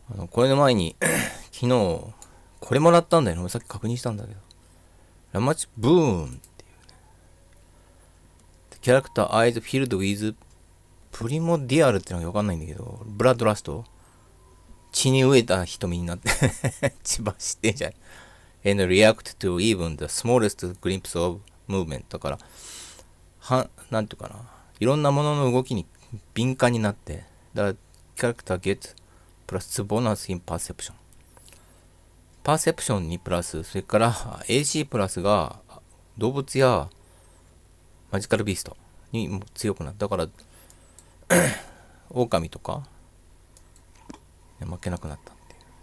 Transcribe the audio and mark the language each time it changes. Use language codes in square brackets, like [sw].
[ja] これの前に、昨日、これもらったんだよ。さっき確認したんだけど。ラマチブーンっていうね。 [en] キャラクター、アイズ・フィールド・ウィズ・プリモディアル [ja] ってのがわかんないんだけど、 [en] ブラッド・ラスト。 [ja] 血に飢えた瞳になって血走ってんじゃん。 [en] And react to even the smallest glimpse of movement. [ja] だから、なんていうかな、いろんなものの動きに敏感になって、だからキャラクター [en] get プラスボーナス in perception、 [ja] パーセプションにプラス、それから AC プラスが動物やマジカルビーストにも強くなった。だから狼とか負けなくなったっていう。